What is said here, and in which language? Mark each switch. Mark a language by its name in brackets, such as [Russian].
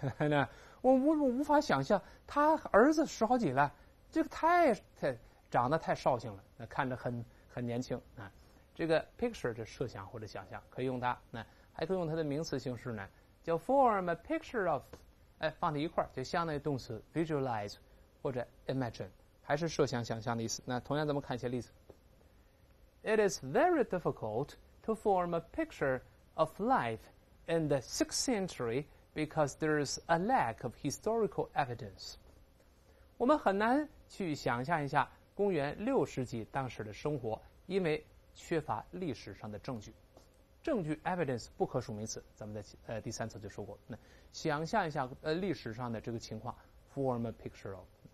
[Chinese] 那我无法想象他儿子十好几了，这个太长得太绍兴了，那看着很年轻啊。这个 picture 这设想或者想象可以用它，那还可以用它的名词形式呢，叫 [English] form a picture of， [Chinese] 哎，放在一块儿就相当于动词 visualize 或者 imagine， 还是设想想象的意思。那同样咱们看一些例子。 [English] It is very difficult to form a picture of life in the 6th century because there is a lack of historical evidence。 [Chinese] 我们很难去想象一下公元六世纪当时的生活，因为缺乏历史上的证据。证据 evidence 不可数名词，咱们在第三次就说过。那想象一下历史上的这个情况 [English] form a picture of。